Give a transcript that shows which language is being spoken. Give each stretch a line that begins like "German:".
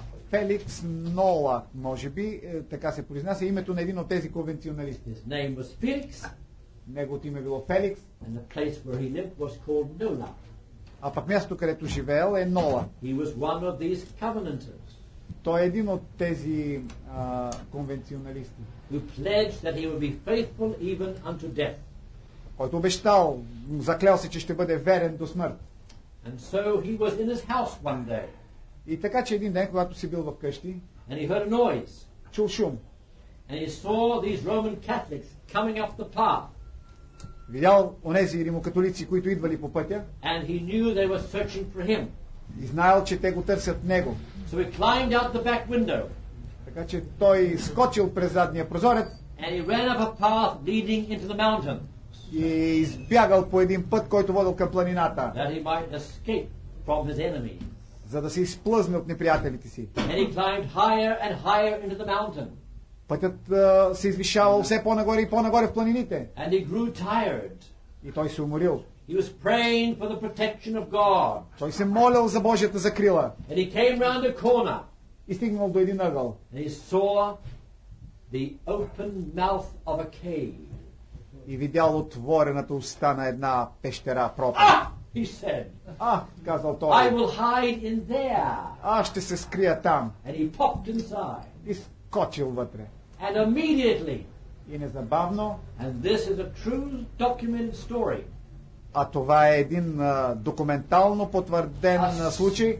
Bulgarian: Феликс Нола, може би, така се произнася името на един от тези конвенционалисти.
English: His name was Felix.
Bulgarian: Неговото име било Феликс.
English: And the place where he lived was called Nola.
Bulgarian: А пък мястото, където живеел, е Нола.
English: He was one of these covenanters.
Bulgarian: Той е един от тези конвенционалисти.
English: Who pledged that he would be faithful even unto death.
Bulgarian: Който обещал, заклял се, че ще бъде верен до смърт.
English: And so he was in his house one day.
Bulgarian: И така, че един ден, когато си бил вкъщи,
English: and he heard a noise.
Bulgarian: Чул шум.
English: And he saw these Roman Catholics coming up the path.
Bulgarian: Видял онези римокатолици, които идвали по пътя.
English: And he knew they were searching for him.
Bulgarian: И знаел, че те го търсят него.
English: So he climbed out the back window.
Bulgarian: Така че той скочил през задния прозорец.
English: And he ran up a path leading into the mountain.
Bulgarian: И избягал по един път, който водил към планината.
English: That he might escape from his enemies.
Bulgarian: За да се изплъзне от неприятелите си.
English: And he climbed higher and higher into the mountain.
Bulgarian: Пътят се извишавал все по-нагоре и по-нагоре в планините.
English: And he grew tired.
Bulgarian: И той се уморил.
English: He was praying for the protection of God.
Bulgarian: Той се молил за Божията закрила.
English: And he came round a corner.
Bulgarian: И стигнал до един ъгъл.
English: And he saw the open mouth of a cave.
Bulgarian: И видял отворената уста на една пещера пропаст.
English: He said,
Bulgarian: казал той,
English: I will hide in there.
Bulgarian: Аз ще се скрия там.
English: And he popped inside.
Bulgarian: И скочил вътре.
English: And immediately.
Bulgarian: И незабавно.
English: And this is a true documented story.
Bulgarian: А това е един документално потвърден случай.